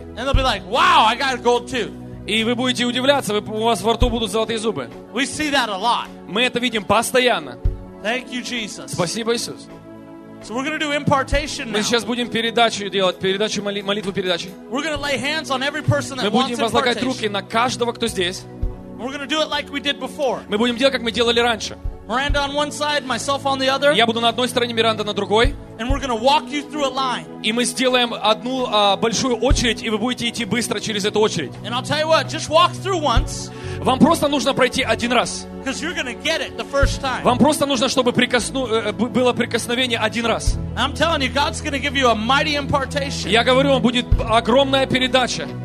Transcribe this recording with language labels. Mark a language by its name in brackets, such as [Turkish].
[English] And they'll be like, "Wow, I got a gold tooth." [Russian] И вы будете удивляться, у вас во рту будут золотые зубы. [English] We see that a lot. [Russian] Мы это видим постоянно. [English] Thank you, Jesus. [Russian] Спасибо, Иисус. [English] So we're going to do impartation now. [Russian] Мы сейчас будем передачу делать, передачу молитву передачи. [English] We're going to lay hands on every person that wants [Russian] impartation. Мы будем возлагать руки на каждого, кто здесь. [English] We're going to do it like we did before. [Russian] Мы будем делать, как мы делали раньше. [English] Miranda on one side, myself on the other. [Russian] Я буду на одной стороне, Миранда на другой. [English] And we're going to walk you through a line. [Russian] И мы сделаем одну большую очередь, и вы будете идти быстро через эту очередь. [English] And I'll tell you what, just walk through once. [Russian] Вам просто нужно пройти один раз. [English] Because you're going to get it the first time. [Russian] Вам просто нужно, чтобы было прикосновение один раз. [English] I'm telling you, God's going to give you a mighty impartation. [Russian] Я говорю вам, будет огромная передача.